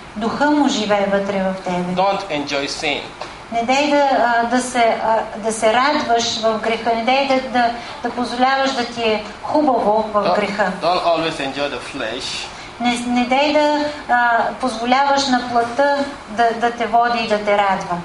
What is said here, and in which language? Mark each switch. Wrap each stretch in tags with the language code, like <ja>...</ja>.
<bg>Духа му живее вътре в тебе.</bg> <en>Don't enjoy sin.</en> <bg>Не дей да се радваш в греха. Не дей да позволяваш да ти е хубаво в греха.</bg> <en>Don't always enjoy the flesh.</en> <bg>Не дей да позволяваш на плътта да те води и да те радва.</bg>